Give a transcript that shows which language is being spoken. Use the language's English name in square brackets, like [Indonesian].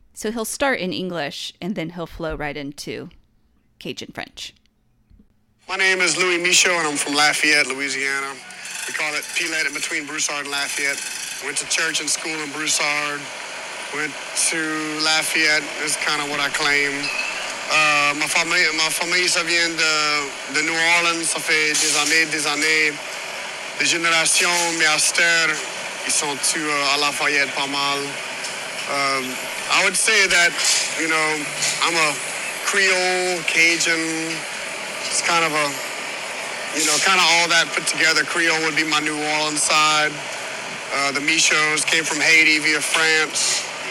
[English] So he'll start in English, and then he'll flow right into Cajun French. My name is Louis Michaud, and I'm from Lafayette, Louisiana. We call it Pilette in between Broussard and Lafayette. Went to church and school in Broussard. Went to Lafayette is kind of what I claim. My family [French] vient de New Orleans, ça fait des années. Les générations, mes astères, ils sont tous à Lafayette pas mal. [English] I would say that, you know, I'm a Creole, Cajun. It's kind of kind of all that put together. Creole would be my New Orleans side. The Michauds came from Haiti via France.